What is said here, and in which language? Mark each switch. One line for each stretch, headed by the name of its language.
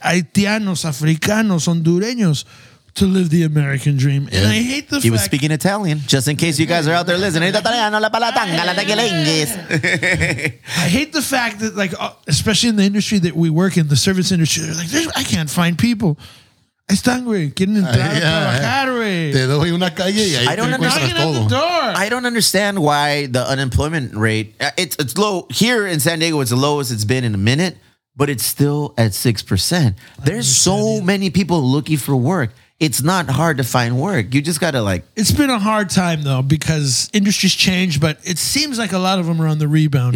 Spanish: Haitianos, africanos, hondureños.
English: To live the American dream. Yeah. And I hate the fact... He was speaking Italian, just in case you guys are out there listening. I hate the fact that, like, especially in the industry that we work in, the service industry, they're like, I can't find people.
Spanish: Están, güey. Quieren entrar a trabajar, güey. Te doy una calle y ahí te encuentras todo.
English: I don't understand why the unemployment rate... It's low. Here in San Diego, it's the lowest it's been in a minute, but it's still at 6%. There's so many people looking for work. It's not hard to find work. You just got to like... It's been a hard time though because industry's changed, but it seems like a lot of them are on the rebound.